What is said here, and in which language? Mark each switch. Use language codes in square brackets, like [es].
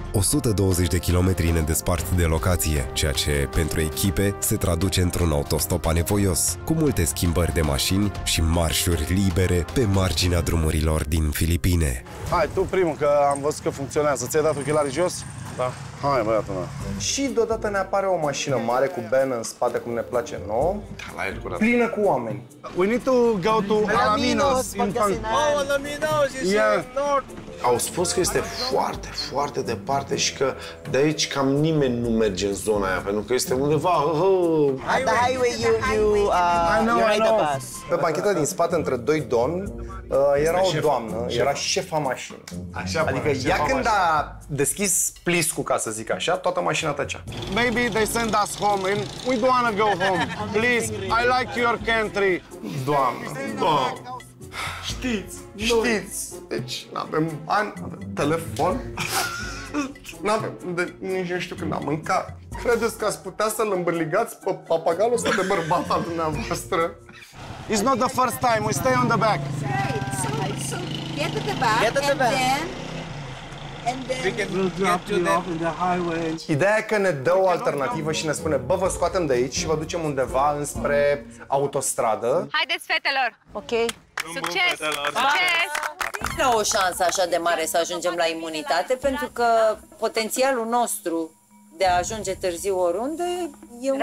[ro] 120 de kilometri ne despart de locație, ceea ce, pentru echipe, se traduce într-un autostop anevoios, cu multe schimbări de mașini și marșuri libere pe marginea drumurilor din Filipine. Hai, tu primul, că am văzut că funcționează. Ți-ai dat ochelarii jos? Da. Hai, băiatul meu. Și deodată ne apare o mașină mare cu ban în spate, cum ne place nouă. Da, la el curat. Plină cu oameni. [en] We need to go to Alaminos. Alaminos, yeah. [ro] Au spus că este foarte, foarte departe și că de aici cam nimeni nu merge în zona aia, pentru că este undeva... [en] On the highway, you ride the bus. [ro] Pe bancheta din spate, între doi domni, era o doamnă, era șefa mașinii. Așa, bă, adică ea când a deschis pliscul, ca să zic așa, toată mașina tăcea. [en] Maybe they send us home and we don't want to go home. Please, I like your country. [ro] Doamnă, doamnă. Știți. Deci, n-avem bani, n-avem telefon, nici nu știu când am mâncat. Credeți că ați putea să-l îmbârligați pe papagalul ăsta de bărbat al dumneavoastră? [en] It's not the first time, we stay on the back. Great, so get to the back, get to the back. And then we'll drop you off in the highway. [ro] Ideea e că ne dă o alternativă și ne spune, bă, vă scoatem de aici și vă ducem undeva înspre autostradă. Haideți, fetelor! Ok. Succes! Nu e o șansă așa de mare să ajungem la imunitate, pentru că potențialul nostru de a ajunge târziu oriunde e unul...